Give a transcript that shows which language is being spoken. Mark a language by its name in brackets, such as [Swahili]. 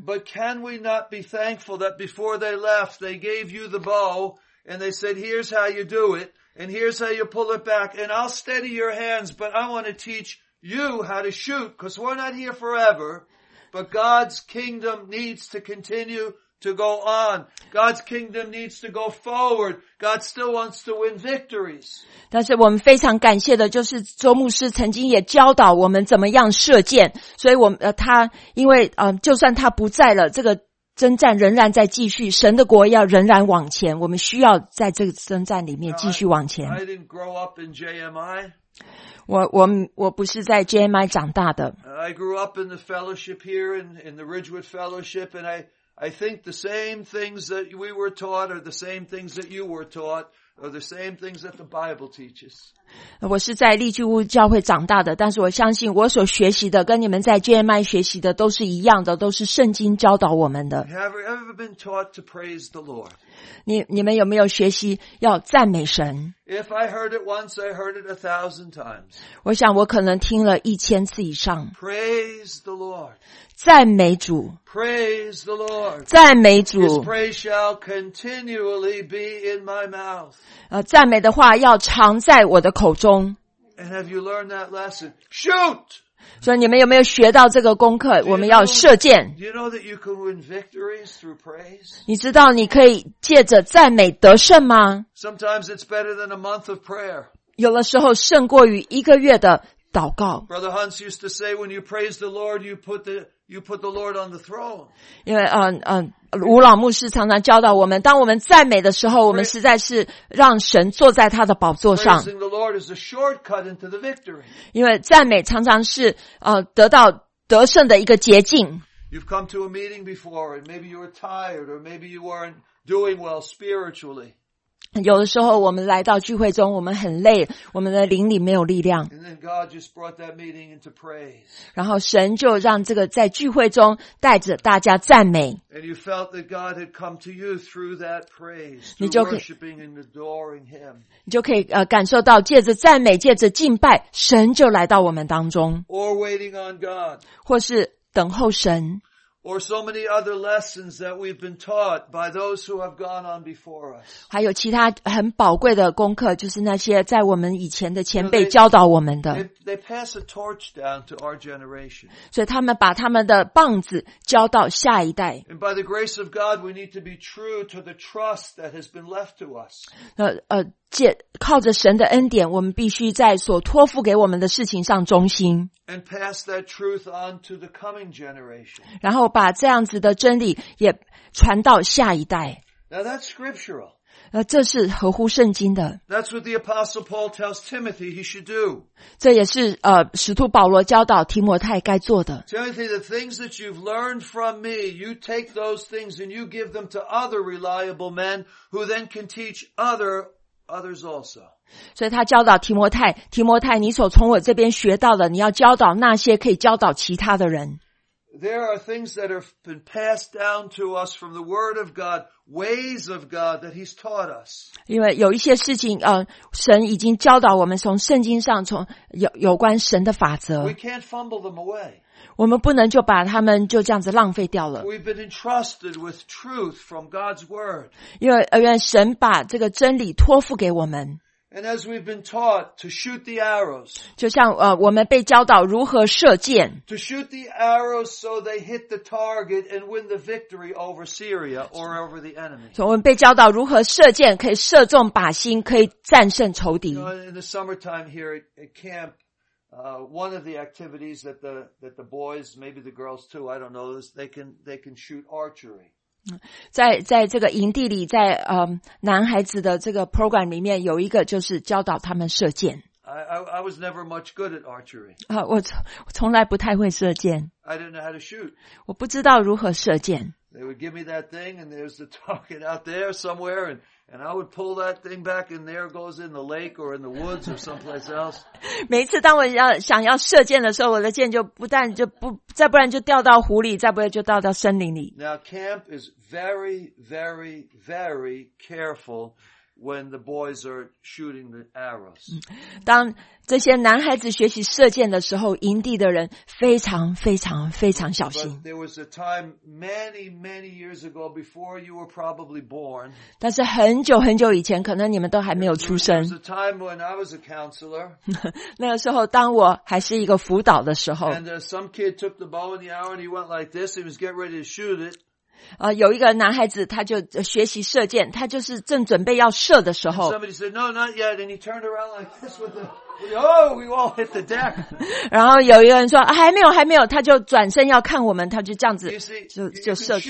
[English] But can we not be thankful that before they left they gave you the bow and they said here's how you do it and here's how you pull it back and I'll steady your hands but I want to teachYou how to shoot, because we're not here forever, but God's kingdom needs to continue to go on. God's kingdom needs to go forward. God still wants to win victories. [Chinese] 但是我们非常感谢的就是周牧师曾经也教导我们怎么样射箭，所以我们他因为就算他不在了，这个征战仍然在继续，神的国要仍然往前，我们需要在这个征战里面继续往前。 [English] I didn't grow up in JMI. [Chinese] 我不是在 JMI 长大的。 [English] I grew up in the fellowship here in the Ridgewood Fellowship, and I think the same things that we were taught are the same things that you were taught are the same things that the Bible teaches. [Chinese] 我是在利聚屋教会长大的，但是我相信我所学习的跟你们在 JMI 学习的都是一样的，都是圣经教导我们的。 [English] Have you ever been taught to praise the Lord? [Chinese] 你们有没有学习要赞美神 [English] ？If I heard it once, I heard it 1,000 times. [Chinese] 我想我可能听了1000次以上。 [English] Praise the Lord. [Chinese] 赞美主。 [English] Praise the Lord. [Chinese] 赞美主。 [English] His praise shall continually be in my mouth. [Chinese] 赞美的话要常在我的口中。 [English] And have you learned that lesson? Shoot. [Chinese] 所以你们有没有学到这个功课？我们要射箭。 [English] Do you know that you can win victories through praise? [Chinese] 你知道你可以借着赞美得胜吗？ [English] Sometimes it's better than a month of prayer. [Chinese] 有的时候胜过于一个月的祷告。 [English] Brother Hans used to say, when you praise the Lord, you put the Lord on the throne. [Chinese] 因为吴老牧师常常教导我们，当我们赞美的时候，我们实在是让神坐在他的宝座上。 [English] Praising the Lord is a shortcut into the victory. [Chinese] 因为赞美常常是得到得胜的一个捷径。 [English] You've come to a meeting before, and maybe you were tired, or maybe you weren't doing well spiritually. [Chinese] 有的时候我们来到聚会中，我们很累，我们的灵里没有力量。 [English] And then God just brought that meeting into praise. [Chinese] 然后神就让这个在聚会中带着大家赞美。 [English] And you felt that God had come to you through that praise, through worshiping and adoring Him. [Chinese] 你就可以感受到借着赞美，借着敬拜，神就来到我们当中。 [English] Or waiting on God. [Chinese] 或是等候神。 [English] Or so many other lessons that we've been taught by those who have gone on before us. [Chinese] 还有其他很宝贵的功课，就是那些在我们以前的前辈教导我们的。 [English] They pass a torch down to our generation. [Chinese] 所以他们把他们的棒子交到下一代。 [English] And by the grace of God, we need to be true to the trust that has been left to us. [Chinese] 靠着神的恩典，我们必须在所托付给我们的事情上忠心。 [English] And pass that truth on to the coming generation. [Chinese] 然后把这样子的真理也传到下一代。 [English] Now that's scriptural. [Chinese] 这是合乎圣经的。 [English] That's what the Apostle Paul tells Timothy he should do. [Chinese] 这也是使徒保罗教导提摩太该做的。 [English] Timothy, the things that you've learned from me, you take those things and you give them to other reliable men who then can teach other others also. [Chinese] 所以他教导提摩太，提摩太，你所从我这边学到的，你要教导那些可以教导其他的人。 [English] There are things that have been passed down to us from the Word of God, ways of God that He's taught us. [Chinese] 因为有一些事情，神已经教导我们从圣经上从有关神的法则。 [English] We can't fumble them away. [Chinese] 我们不能就把他们就这样子浪费掉了。 [English] We've been entrusted with truth from God's Word. [Chinese] 因为神把这个真理托付给我们。 [English] And as we've been taught to shoot the arrows, [Chinese] 就像我们被教导如何射箭 [English] ，to shoot the arrows so they hit the target and win the victory over Syria or over the enemy. [Chinese] 所以我们被教导如何射箭，可以射中靶心，可以战胜仇敌。 [English] In the summertime here at camp, one of the activities that the boys, maybe the girls too, I don't know, is they can shoot archery. [Chinese] 在这个营地里，在男孩子的这个 program 里面，有一个就是教导他们射箭。 [English] I was never much good at archery. [Chinese] 我从来不太会射箭。 [English] I didn't know how to shoot. [Chinese] 我不知道如何射箭。 [English] They would give me that thing, and there's the target out there somewhere, and I would pull that thing back, and there goes in the lake or in the woods or someplace else. [Chinese] 每次当我想要射箭的时候，我的箭就不但就不再不然就掉到湖里，再不然就掉到森林里。 [English] Now camp is very, very, very careful when the boys are shooting the arrows. [Chinese] 当这些男孩子学习射箭的时候，营地的人非常非常非常小心。 [English] But there was a time many, many years ago before you were probably born. [Chinese] 但是很久很久以前，可能你们都还没有出生。 [English] There was a time when I was a counselor. [Chinese] 那个时候，当我还是一个辅导的时候。 [English] And some kid took the bow and the arrow and he went like this. He was getting ready to shoot it. [Chinese] 有一个男孩子，他就学习射箭，他就是正准备要射的时候。 [English] Somebody said, "No, not yet." And he turned around like this with the, "Oh, we all hit the deck." [Chinese] 然后有一个人说，还没有，还没有，他就转身要看我们，他就这样子就射出去。